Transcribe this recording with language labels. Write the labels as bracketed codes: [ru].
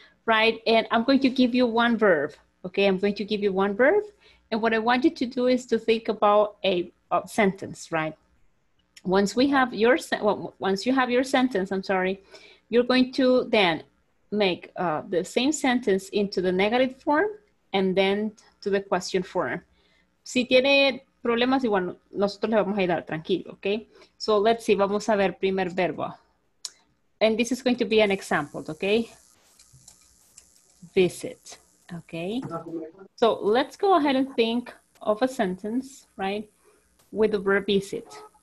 [en] Right, and I'm going to give you one verb, okay? I'm going to give you one verb, and what I want you to do is to think about a sentence, right? Once we have your, well, once you have your sentence, I'm sorry, you're going to then make the same sentence into the negative form and then to the question form. [es] Si tiene problemas, igual nosotros le vamos a ayudar, tranquilo, okay? [en] So let's see, [es] vamos a ver primer verbo. [en] And this is going to be an example, okay? Visit. Okay. So let's go ahead and think of a sentence, right, with the verb visit.